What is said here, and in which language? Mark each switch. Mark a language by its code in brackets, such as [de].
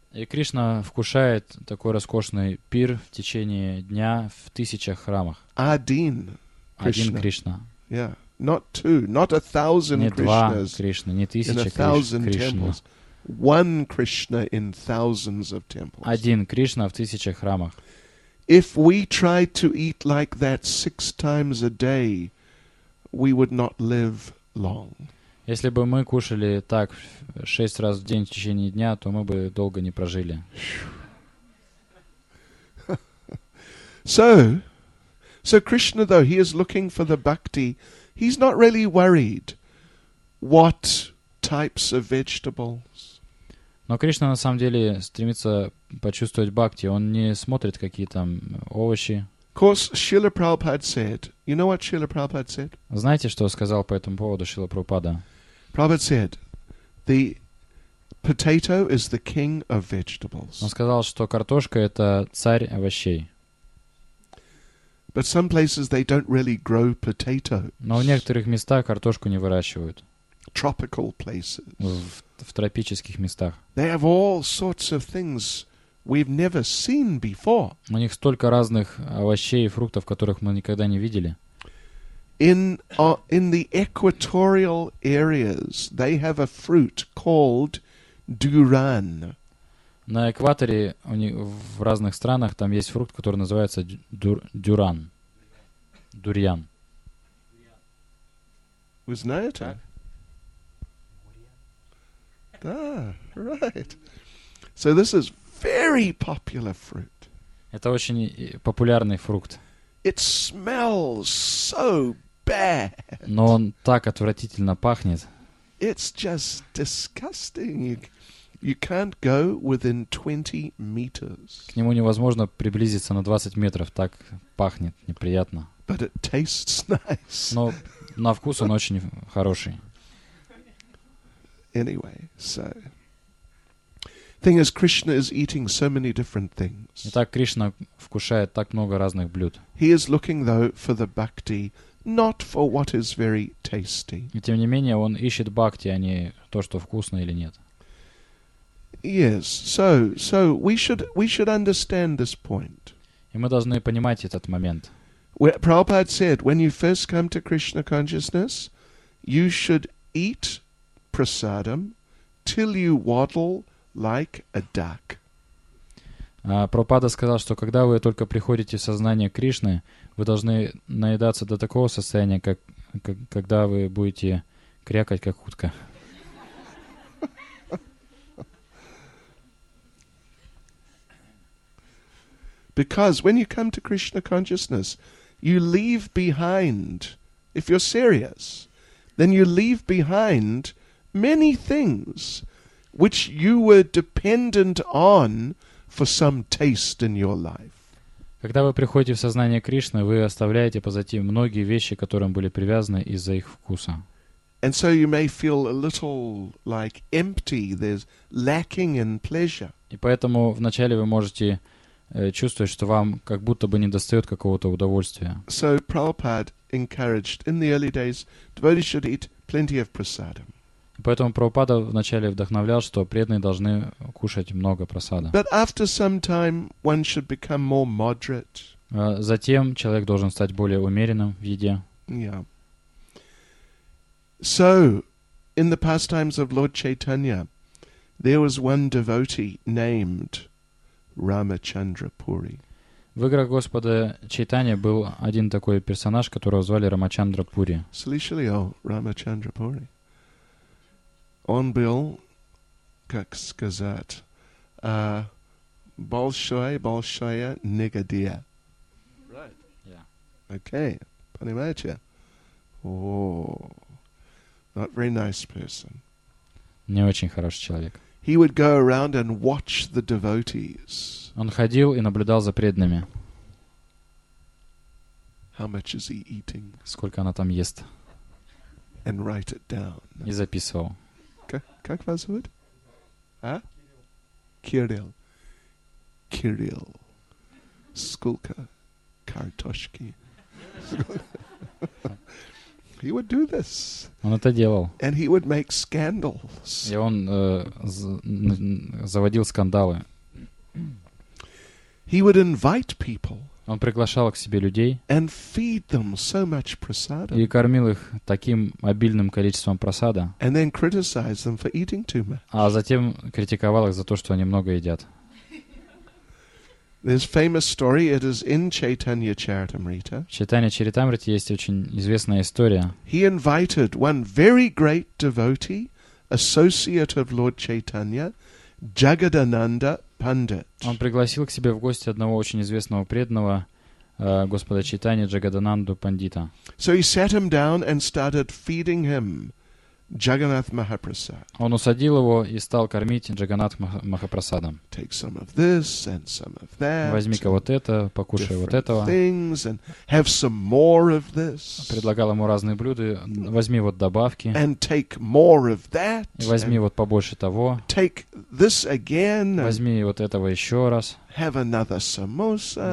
[ru] И Кришна вкушает такой роскошный пир в течение дня в тысячах храмах. Один Кришна. [en] Yeah, not two, not a thousand [ru] Krishnas. Не 2 Кришны, не 1000 Кришн. [en] One Krishna in thousands of temples. [ru] Один Кришна в тысячах храмах. [en] If we tried to eat like that 6 times a day, we would not live long. [ru] Если бы мы кушали так 6 раз в день в течение дня, то мы бы долго не прожили. [en] So Krishna, though, he is looking for the bhakti. He's not really worried what types of vegetables. [ru] Но Кришна на самом деле стремится почувствовать бхакти. Он не смотрит, какие там овощи. [en] course, Srila Prabhupada said, you know what Srila Prabhupada said? [ru] Знаете, что сказал по этому поводу Шрила Прабхупада? [en] Prabhupada said, the potato is the king of vegetables. [ru] Он сказал, что картошка — это царь овощей. [en] But some places they don't really grow potatoes. [ru] Но в некоторых местах картошку не выращивают. [en] Tropical places. [ru] В тропических местах. [en] They have all sorts of things we've never seen before. [ru] У них столько разных овощей и фруктов, которых мы никогда не видели. [en] In the equatorial areas, they have a fruit called durian. [ru] На экваторе у них в разных странах там есть фрукт, который называется дюран. Дурьян. Вы знаете? [en] Да, right. So this is very popular fruit. [ru] Это очень популярный фрукт. [en] It smells so bad. [ru] Но он так отвратительно пахнет. [en] It's just disgusting. You can't go within 20 meters. [ru] К нему невозможно приблизиться на 20 метров, так пахнет неприятно. [en] But it tastes nice. [ru] Но на вкус он очень хороший. [en] Anyway, so thing is, Krishna is eating so many different things. [ru] Итак, Кришна вкушает так много разных блюд. [en] He is looking though for the bhakti, not for what is very tasty. [ru] И тем не менее, он ищет бхакти, а не то, что вкусно или нет. [en] Yes, so we should understand this point. [ru] И мы должны понимать этот момент. [en] Prabhupada said, when you first come to Krishna consciousness, you should eat prasadam till you waddle like a duck. [ru] Прабхупада сказал, что когда вы только приходите в сознание Кришны, вы должны наедаться до такого состояния, как когда вы будете крякать как утка. [en] Because when you come to Krishna consciousness, you leave behind, if you're serious, then you leave behind many things which you were dependent on for some taste in your life. [ru] Когда вы приходите в сознание Кришны, вы оставляете позади многие вещи, которым были привязаны из-за их вкуса. [en] And so you may feel a little like empty, there's lacking in pleasure. [ru] И поэтому вначале вы можете чувствовать, что вам как будто бы не достает какого-то удовольствия. [en] So Prabhupada encouraged in the early days devotees should eat plenty of prasadam. [ru] Поэтому Прабхупада вначале вдохновлял, что преданные должны кушать много прасада. [en] But after some time one should become more moderate. [ru] Затем человек должен стать более умеренным в еде. [en] Yeah. So in the pastimes of Lord Chaitanya there was one devotee named Рамачандра Пури. [ru] В играх Господа Чайтанья был один такой персонаж, которого звали Рамачандра Пури. Слышали о Рамачандра Пури? Он был, как сказать, большая негодяя. [en] Right. Yeah. [ru] Okay. Понимаете? Oh. [en] Not very nice person. [ru] Не очень хороший человек. [en] He would go around and watch the devotees. [ru] Он ходил и наблюдал за преданными. [en] How much is he eating? [ru] Сколько она там ест? [en] And write it down. [ru] И записывал. Как вас зовут? А? Кирилл. Кирилл. Сколько картошки? [en] He would do this. [ru] Он это делал. [en] And he would make scandals. [ru] И он заводил скандалы. [en] He would invite people. [ru] Он приглашал к себе людей. [en] And feed them so much prasadam. [ru] И кормил их таким обильным количеством прасада. [en] And then criticize them for eating too much. [ru] А затем критиковал их за то, что они много едят. [en] There's famous story. It is in Chaitanya Charitamrita. [ru] В Чайтанья Чаритамрите есть очень известная история. [en] He invited one very great devotee, associate of Lord Chaitanya, Jagadananda Pandit. [ru] Он пригласил к себе в гости одного очень известного преданного, господа Чайтанья Джагадананду Пандита. [en] So he sat him down and started feeding him [ru] Джаганат Махапрасад. Он усадил его и стал кормить Джаганат Махапрасадом. [en] Take some of this and some of that. [ru] Возьми-ка вот это, покушай вот этого. [en] Things and have some more of this. [ru] Предлагал ему разные блюда, возьми вот добавки. [en] And take more of that. [ru] И возьми вот побольше того. [en] Take this again. [ru] Возьми вот этого еще раз. [en] Have another samosa.